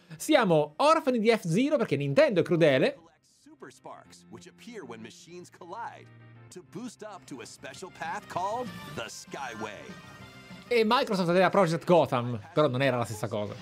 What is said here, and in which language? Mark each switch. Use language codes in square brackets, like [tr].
[it] Siamo orfani di F-Zero perché Nintendo è crudele. [en] Super Sparks, which appear when machines collide, to boost up to a special path called the Skyway. [it] E Microsoft aveva Project Gotham, però non era la stessa cosa.